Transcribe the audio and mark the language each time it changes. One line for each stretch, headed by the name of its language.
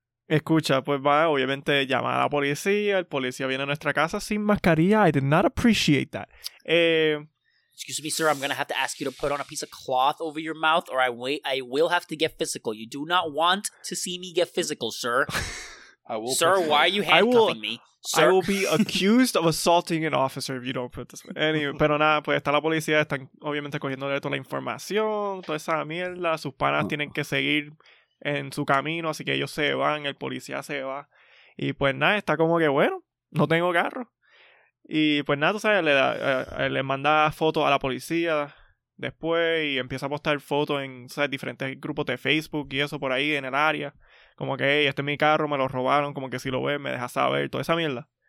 Spanish: Escucha, pues va, obviamente, llama a la policía, el policía viene a nuestra casa sin mascarilla.
English: I did not appreciate that. Excuse me, sir, I'm going to have to ask you to put on a piece of cloth over your mouth, or I will have to get physical. You do not want to see me get physical, sir. I will. Sir, why are you handcuffing me? Sir? I will be accused of assaulting an officer if you don't put this... Anyway,
Spanish: pero nada, pues está la policía, están obviamente cogiéndole toda la información, toda esa mierda, sus panas tienen que seguir... en su camino, así que ellos se van, el policía se va, y pues nada, está como que, bueno, no tengo carro, y pues nada, tú sabes, le manda fotos a la policía después, y empieza a postar fotos en, ¿sabes?, diferentes grupos de Facebook y eso por ahí, en el área, como que, hey, este es mi carro, me lo robaron, como que si lo ven, me deja saber, toda esa mierda.